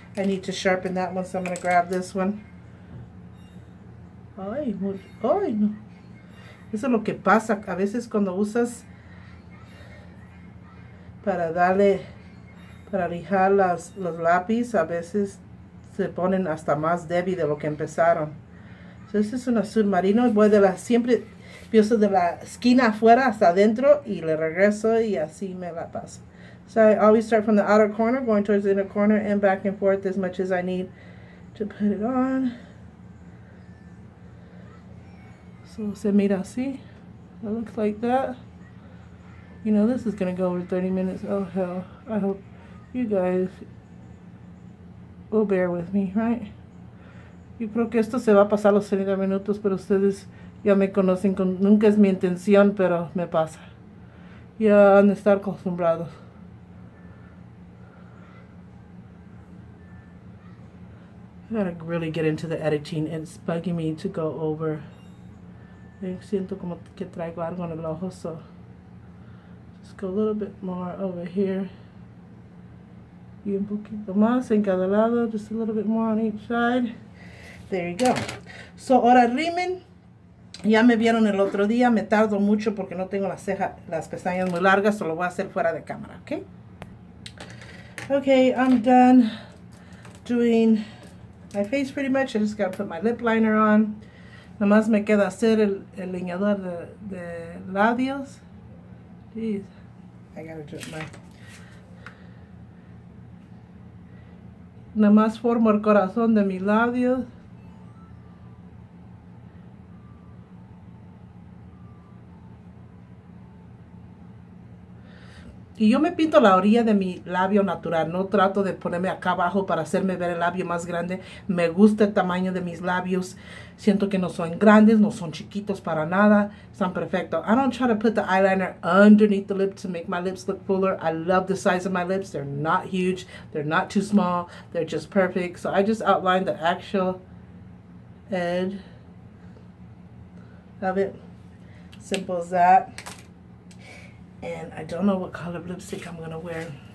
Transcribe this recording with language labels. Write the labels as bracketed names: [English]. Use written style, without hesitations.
[English] I need to sharpen that one, so I'm going to grab this one. [Spanish] Ay, ay, no. Eso es lo que pasa a veces cuando usas para lijar los lápices, a veces se ponen hasta más débil de lo que empezaron. So, este es un azul marino. Voy de la, siempre pienso de la esquina afuera hasta adentro y le regreso y así me la paso. [English] So I always start from the outer corner, going towards the inner corner, and back and forth as much as I need to put it on. So [Spanish] se mira así. [English] It looks like that. You know, this is going to go over 30 minutes. Oh, hell. I hope you guys will bear with me, right? [Spanish] Yo creo que esto se va a pasar los 30 minutos, pero ustedes ya me conocen. Nunca es mi intención, pero me pasa. Ya han de estar acostumbrados. [English] I gotta really get into the editing. It's bugging me to go over. [Spanish] Siento como que traigo algo en el ojo, [English] so just go a little bit more over here. [Spanish] y un poquito más en cada lado, [English] just a little bit more on each side. There you go. [Spanish] So, ahora rimen. Ya me vieron el otro día, me tardo mucho porque no tengo las cejas, las pestañas muy largas, solo voy a hacer fuera de cámara, ¿ok? [English] Ok, I'm done doing my face pretty much. I just gotta put my lip liner on. [Spanish] Nomás me queda hacer el leñador de labios. [English] Jeez, I gotta do it my... [Spanish] Nomás formo el corazón de mis labios. Y yo me pinto la orilla de mi labio natural. No trato de ponerme acá abajo para hacerme ver el labio más grande. Me gusta el tamaño de mis labios. Siento que no son grandes, no son chiquitos para nada. Están perfectos. [English] I don't try to put the eyeliner underneath the lip to make my lips look fuller. I love the size of my lips. They're not huge. They're not too small. They're just perfect. So I just outlined the actual edge of it. Simple as that. And I don't know what color of lipstick I'm gonna wear.